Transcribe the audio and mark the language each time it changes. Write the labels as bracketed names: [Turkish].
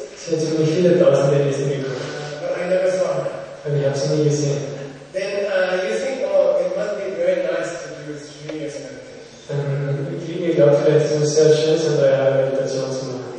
[German] Sie hat für mich viele tausend Essen gekocht. [English] But I never saw her. [German] Aber ich habe sie nie gesehen. [English] Then you think, oh, it must be very nice to do 3 years meditation. [German] Dann glaube ich, vielleicht ist es sehr schön, so 3 Jahre Meditation zu machen.